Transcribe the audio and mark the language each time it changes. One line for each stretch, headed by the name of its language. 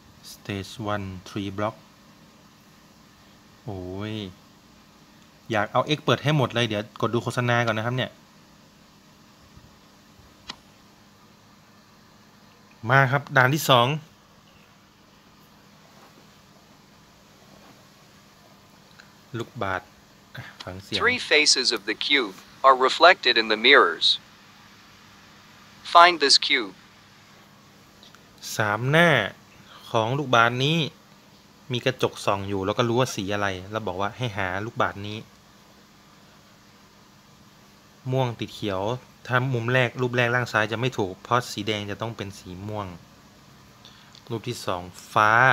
Thai: สเตจ1 3 บล็อกโอ้ยอยากเอาเอ็กเปิดให้หมดเลยเดี๋ยวกดดูโฆษณาก่อนนะครับเนี่ยมาครับด่านที่2ลูกบาศก์ฟังเสียง
English: Three faces of the cube are reflected in the mirrors. Find this cube.
Thai: สามหน้าของลูกบาศก์นี้มีกระจกส่องอยู่แล้วก็รู้ว่าสีอะไรแล้วบอกว่าให้หาลูกบาศก์นี้ม่วงติดเขียวถ้ามุมแรกรูปแรกล่างซ้ายจะไม่ถูกเพราะสีแดงจะต้องเป็นสีม่วงรูปที่สองฟ้า